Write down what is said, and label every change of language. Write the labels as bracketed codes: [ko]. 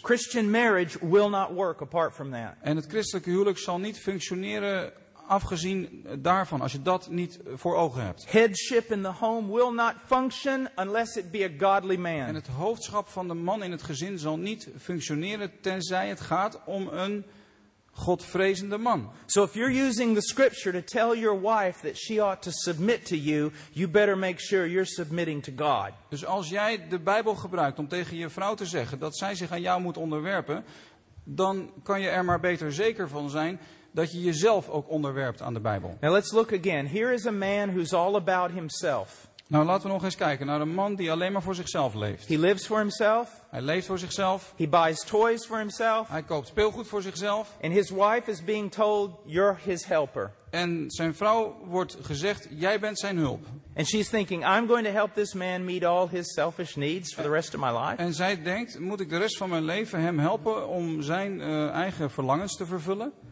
[en] Christian marriage will not work apart from that. [nl] En het christelijke huwelijk zal niet functioneren afgezien daarvan, als je dat niet voor ogen hebt. [en] Headship in the home will not function unless it be a godly man. [nl] En het hoofdschap van de man in het gezin zal niet functioneren tenzij het gaat om een godvrezende man. [en] So if you're using the scripture to tell your wife that she ought to submit to you, you better make sure you're submitting to God. [nl] Dus als jij de Bijbel gebruikt om tegen je vrouw te zeggen dat zij zich aan jou moet onderwerpen, dan kan je er maar beter zeker van zijn dat je jezelf ook onderwerpt aan de Bijbel. [en] Now let's look again. Here is a man who's all about himself. [nl] Nou, laten we nog eens kijken naar een man die alleen maar voor zichzelf leeft. [en] He lives for himself. [nl] Hij leeft voor zichzelf. [en] He buys toys for himself. [nl] Hij koopt speelgoed voor zichzelf. [en] And his wife is being told, "You're his helper." [nl] En zijn vrouw wordt gezegd, jij bent zijn hulp. [en] And she's thinking, I'm going to help this man meet all his selfish needs for the rest of my life. [nl] En zij denkt, moet ik de rest van mijn leven hem helpen om zijn eigen verlangens te vervullen?